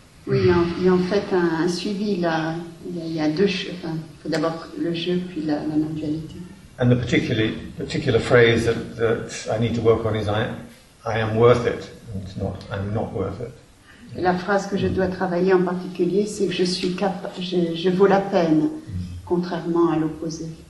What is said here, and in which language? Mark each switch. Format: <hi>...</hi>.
<fr>Oui, il y a en fait un suivi là. Il y a deux jeux. Enfin, faut d'abord le jeu, puis la non-dualité.</fr> <en>And the particular phrase that I need to work on is I am worth it. And it's not. I'm not worth it.</en> <fr>La phrase que je dois travailler en particulier, c'est que je vaut la peine, contrairement à l'opposé.</fr>